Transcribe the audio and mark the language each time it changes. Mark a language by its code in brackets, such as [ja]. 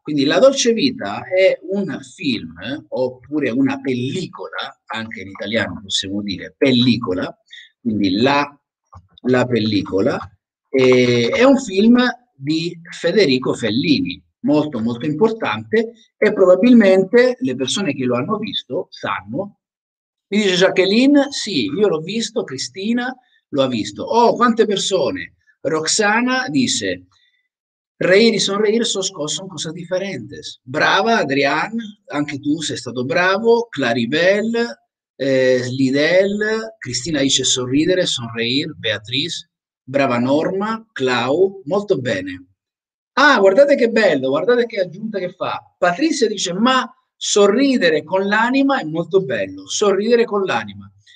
[it] Quindi La Dolce Vita è un film, oppure una pellicola, anche in italiano possiamo dire pellicola, quindi la pellicola, è un film di Federico Fellini, molto molto importante, e probabilmente le persone che lo hanno visto sanno. Mi dice Jacqueline, sì, io l'ho visto, Cristina lo ha visto. Oh, quante persone! Roxana dice: [es] Reír y sonreír son cosas diferentes. [it] Brava, Adrián, anche tu sei stato bravo. Claribel, Lidel, Cristina dice: sorridere, sonreír. Beatrice, brava Norma, Clau, molto bene. Ah, guardate che bello, guardate che aggiunta che fa. Patrizia dice: Ma sorridere con l'anima è molto bello, sorridere con l'anima.